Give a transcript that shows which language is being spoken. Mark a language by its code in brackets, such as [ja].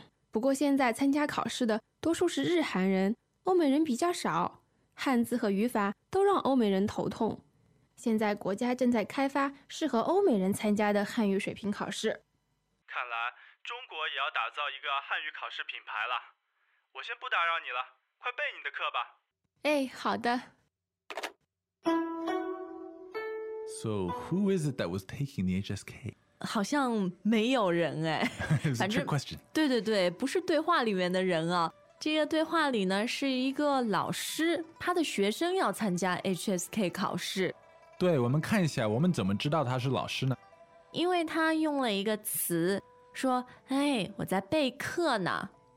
[zh] 不过现在参加考试的多数是日韩人，欧美人比较少，汉字和语法都让欧美人头痛。现在国家正在开发适合欧美人参加的汉语水平考试。看来中国也要打造一个汉语考试品牌了。我先不打扰你了，快背你的课吧。哎，好的。 [en] So who is it that was taking the HSK? [zh] 好像没有人哎，反正 [en] trick question. [zh] 对对对，不是对话里面的人啊。这个对话里呢，是一个老师，他的学生要参加 HSK 考试。对，我们看一下，我们怎么知道他是老师呢？因为他用了一个词，说：“哎，我在备课呢。”